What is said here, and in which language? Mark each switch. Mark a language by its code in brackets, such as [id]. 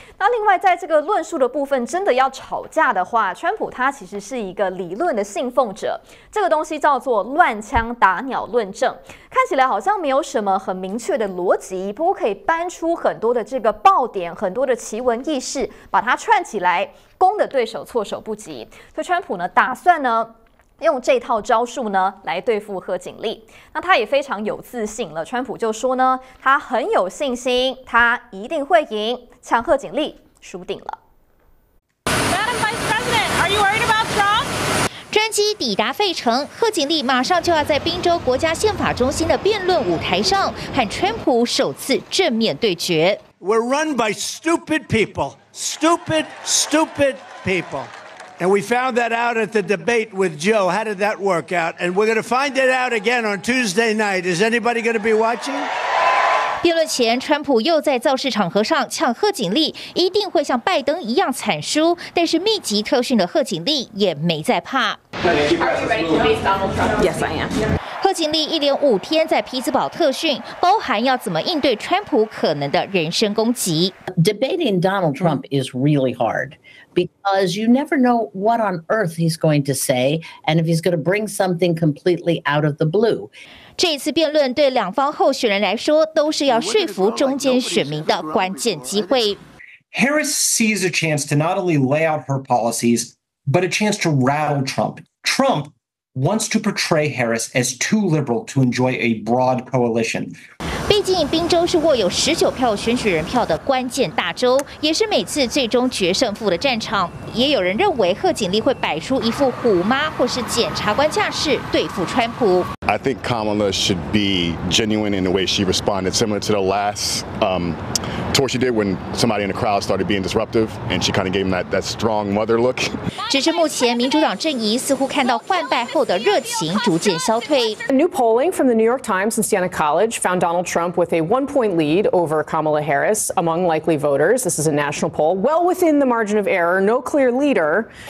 [zh] 那另外在这个论述的部分，真的要吵架的话，川普他其实是一个理论的信奉者，这个东西叫做乱枪打鸟论证，看起来好像没有什么很明确的逻辑，不过可以搬出很多的这个爆点，很多的奇闻异事，把它串起来攻的对手措手不及，所以川普呢打算呢用这套招数呢来对付贺锦丽。那他也非常有自信了，川普就说呢他很有信心，他一定会赢，呛贺锦丽输定了。 [en] Madam Vice President, are you worried about Trump? [zh] 专机抵达费城，贺锦丽马上就要在宾州国家宪法中心的辩论舞台上和川普首次正面对决。 [en] We're run by stupid people, stupid, stupid people, and we found that out at the debate with Joe. How did that work out? And we're going to find it out again on Tuesday night. Is anybody going to be watching? [zh] 辩论前，川普又在造势场合上呛贺锦丽一定会像拜登一样惨输，但是密集特训的贺锦丽也没在怕。 [en] Yes, I am. [zh] 贺锦丽一连五天在匹兹堡特训，包含要怎么应对川普可能的人身攻击。 [en] Debating Donald Trump is really hard because you never know what on earth he's going to say and if he's going to bring something completely out of the blue。 [zh] 这一次辩论对两方候选人来说都是要说服中间选民的关键机会。 [en] Harris sees a chance to not only lay out her policies, but a chance to rattle Trump. Trump wants to portray Harris as too liberal to enjoy a broad coalition. [zh] 毕竟宾州是握有19票选举人票的关键大州，也是每次最终决胜负的战场。也有人认为贺锦丽会摆出一副虎妈或是检察官架势对付川普。 [en] I think Kamala should be genuine in the way she responded, similar to the last tour she did when somebody in the crowd started being disruptive, and she kind of gave him that strong mother look. [zh] 只是目前民主党阵营似乎看到换败后的热情逐渐消退。 [en] New polling from the New York Times and Siena College found Donald Trump with a 1-point lead over Kamala Harris among likely voters. This is a national poll, well within the margin of error, no clear leader.